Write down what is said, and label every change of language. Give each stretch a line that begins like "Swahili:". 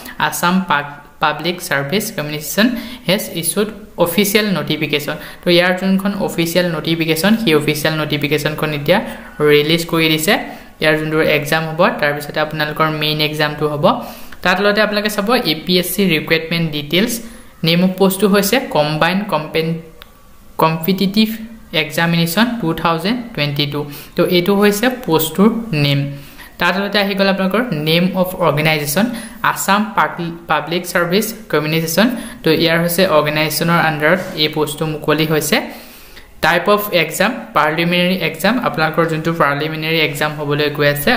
English: Assam public service commission has issued official notification.
Assamese: তো ইয়াৰ যোনখন official notification, সেই অফিচিয়েল ন'টিফিকেশ্যনখন এতিয়া ৰিলিজ কৰি দিছে। ইয়াৰ যোনটো এক্সাম হ'ব, তাৰপিছতে আপোনালোকৰ মেইন এক্সামটো হ'ব। তাৰ তলতে আপোনালোকে চাব APSC requirement details.
English: Name of পোষ্টটো হৈছে combined competitive examination 2022।
Assamese: তো এইটো হৈছে পোষ্টটোৰ নেম। তাৰ তলতে আহি গ'ল আপোনালোকৰ name of organisation, Assam public service কমিউনিজেশ্যন। তো ইয়াৰ হৈছে অৰ্গেনাইজেশ্যনৰ আণ্ডাৰত এই পোষ্টটো মুকলি হৈছে।
English: type of exam preliminary exam,
Assamese: আপোনালোকৰ যোনটো পাৰ্লিমিনেৰী এক্সাম হ'বলৈ গৈ আছে।